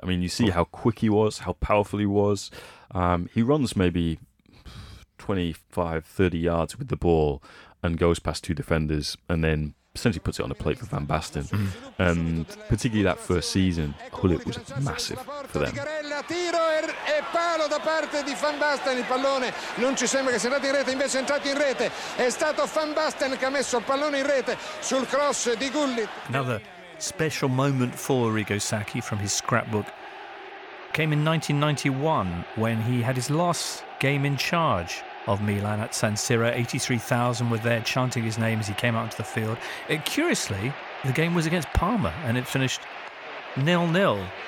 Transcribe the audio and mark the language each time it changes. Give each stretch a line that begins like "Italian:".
English: I mean, you see how quick he was, how powerful he was. He runs maybe 25, 30 yards with the ball and goes past two defenders and then essentially puts it on the plate for Van Basten. Mm. And particularly that first season, Hullett was massive for them.
Italian: Tiro e palo da parte di Van Basten. Il pallone non ci sembra che sia andato in rete, invece è entrato in rete. È stato Van Basten che ha messo il pallone in rete sul cross di Gullit.
English: Another special moment for Rigo Sacchi from his scrapbook came in 1991 when he had his last game in charge of Milan at San Siro. 83,000 were there chanting his name as he came out into the field. Curiously, the game was against Parma and it finished 0-0.